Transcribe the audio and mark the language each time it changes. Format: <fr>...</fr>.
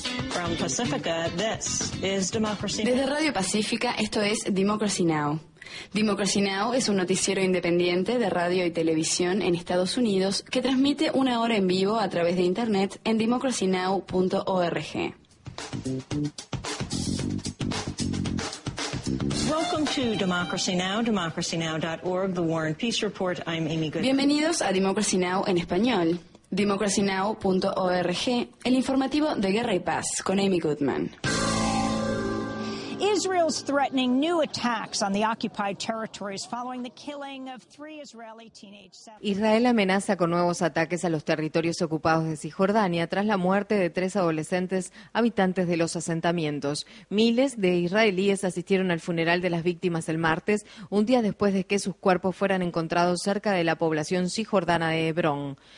<en>from Pacifica, this is Democracy Now.</en> <es>Desde Radio Pacífica, esto es Democracy Now. Democracy Now! Es un noticiero independiente de radio y televisión en Estados Unidos que transmite una hora en vivo a través de Internet en democracynow.org.</es> <en>Welcome to Democracy Now!, democracynow.org, The War and Peace Report. I'm Amy Goodman.</en> <es>Bienvenidos a Democracy Now! En español, democracynow.org, el informativo de Guerra y Paz con Amy Goodman.</es> <en>Israel's threatening new attacks on the occupied territories following the killing of three Israeli teenage seven.</en> <es>Israel amenaza con nuevos ataques a los territorios ocupados de Cisjordania tras la muerte de tres adolescentes habitantes de los asentamientos. Miles de israelíes asistieron al funeral de las víctimas el martes, un día después de que sus cuerpos fueran encontrados cerca de la población cisjordana de Hebrón.</es>